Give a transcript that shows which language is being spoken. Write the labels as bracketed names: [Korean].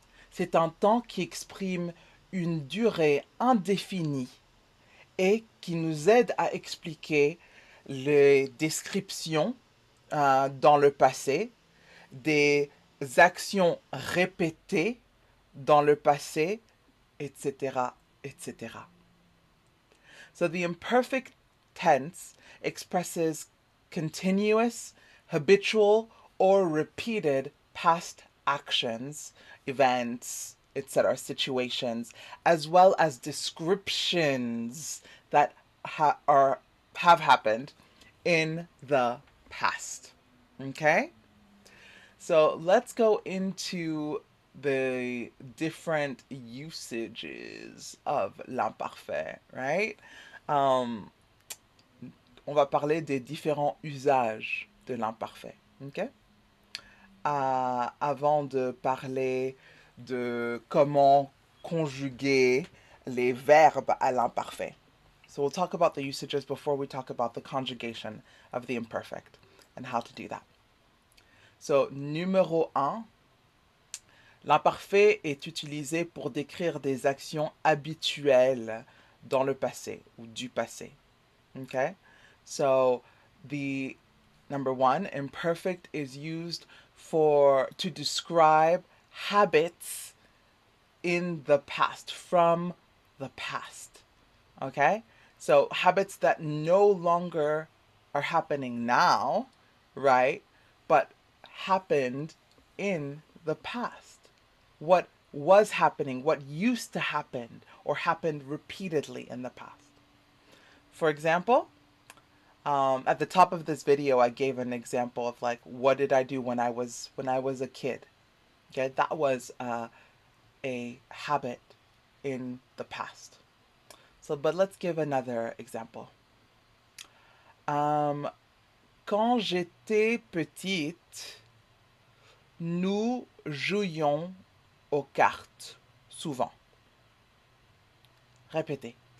[French] C'est un temps qui exprime une durée indéfinie et qui nous aide à expliquer les descriptions dans le passé, des actions répétées dans le passé, etc., etc. [English] So the imperfect tense expresses continuous, habitual, or repeated past actions, events, etc., situations, as well as descriptions that have happened in the past. Okay? So let's go into the different usages of l'imparfait, right? [French] On va parler des différents usages de l'imparfait, okay? Avant de parler de comment conjuguer les verbes à l'imparfait. [English] So we'll talk about the usages before we talk about the conjugation of the imperfect and how to do that. [French] So, numéro 1, l'imparfait est utilisé pour décrire des actions habituelles dans le passé ou du passé. [English] Okay? So, the number one, imperfect is used for to describe habits in the past, from the past. Okay? So, habits that no longer are happening now, right? but happened in the past. What was happening, what used to happen, or happened repeatedly in the past. For example, at the top of this video, I gave an example of like, what did I do when I was a kid? Okay, that was a habit in the past. So, but let's give another example. [French] Quand j'étais petite, nous jouions aux cartes souvent. Répétez.